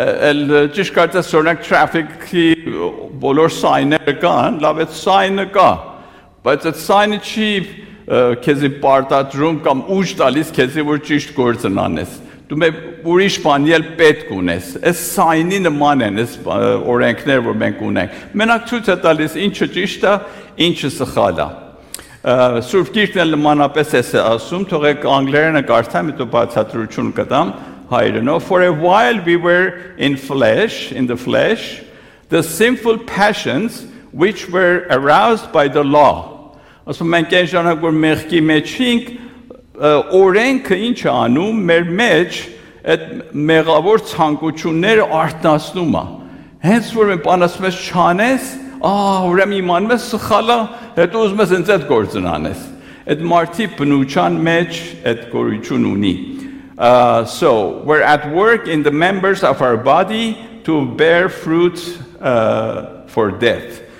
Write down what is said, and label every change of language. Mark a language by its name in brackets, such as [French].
[Armenian] Էլ ճիշտ կարծես օրինակ traffic-ի բոլոր սայները կան, լավ է սայնը կա, բայց այդ սայնը չի քեզի պարտադրում կամ ուժ տալիս քեզի, որ ճիշտ գործն անես, դու մեր ուրիշ բան ել պետք ունես, այս սայնի նման են այս օրենքները, որ մենք ունենք, մենակ ցույց է տալիս ինչը ճիշտ է, ինչը սխալ է։ Սուրբ Գիրքն էլ նմանապես էս է ասում, թողեք անգլերենը կարդամ, հետո բացատրություն կտամ հայերենով. [English] For a while we were in the flesh, the sinful passions which were aroused by the law. [Armenian] Ասում մենք այն ժամանակ, որ մեղքի մեջ էինք, օրենքը ինչ է անում, մեր մեջ այդ մեղավոր ցանկությունները արտասնում է։ Հենց որ մենք ասում ենք չանես, ուրեմն իմանում ես սխալ է, հետո ուզում ես հենց այդ գործն անես, այդ մարդի բնության մեջ այդ գործն ունի։ [English] So we're at work in the members of our body to bear fruit for death.